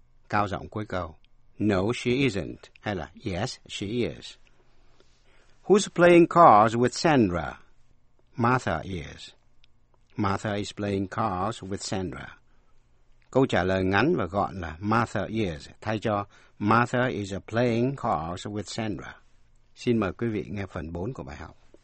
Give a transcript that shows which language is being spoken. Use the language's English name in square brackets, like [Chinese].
[Vietnamese] Cao giọng cuối câu, [English] no, she isn't. [Vietnamese] Hay là, [English] yes, she is. Who's playing cards with Sandra? Martha is. Martha is playing cards with Sandra. [Vietnamese] Câu trả lời ngắn và gọn là, [English] Martha is. [Vietnamese] Thay cho, [English] Martha is playing cards with Sandra. [Vietnamese] Xin mời quý vị nghe phần 4 của bài học.